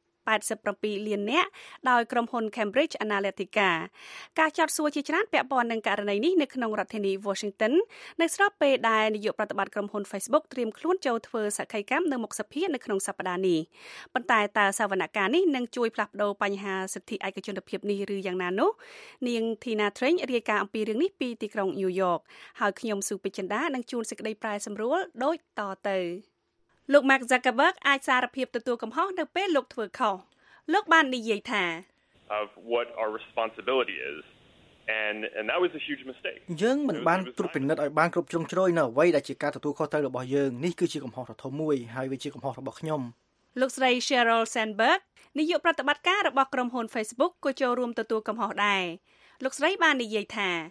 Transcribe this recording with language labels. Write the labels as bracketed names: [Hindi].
[Khmer] 787លាននាក់ដោយក្រុមហ៊ុន Cambridge Analytica ការចោទសួរជាច្រើនពាក់ព័ន្ធនឹងករណីនេះនៅក្នុងរដ្ឋធានី Washington នៅស្របពេលដែលនាយកប្រតិបត្តិក្រុមហ៊ុន Facebook ត្រៀមខ្លួនចូលធ្វើសក្ខីកម្មនៅមុខសភានៅក្នុងសប្តាហ៍នេះប៉ុន្តែតើសវនកម្មនេះនឹងជួយផ្លាស់ប្ដូរបញ្ហាសិទ្ធិឯកជនភាពនេះឬយ៉ាងណានោះ នាង Tina Train រាយការណ៍អំពីរឿងនេះពីទីក្រុង New York ហើយខ្ញុំស៊ូពេជ្ជដានឹងជួនសេចក្តីប្រែសម្រួលដូចតទៅលោក Mark Zuckerberg អាចសារភាពទទួលកំហុសនៅពេលលោកធ្វើខុសលោកបាននិយាយថា [English] of what our responsibility is and that was a huge mistake [Khmer] យើងមិនបានត្រួតពិនិត្យឲ្យបានគ្រប់ជ្រុងជ្រោយនៅអ្វីដែលជាការទទួលខុសត្រូវរបស់យើងនេះគឺជាកំហុសដ៏ធំមួយហើយវាជាកំហុសរបស់ខ្ញុំ លោកស្រី Sheryl Sandberg នាយកប្រតិបត្តិការរបស់ក្រុមហ៊ុន Facebook ក៏ចូលរួមទទួលកំហុសដែរលោកស្រីបាននិយាយថា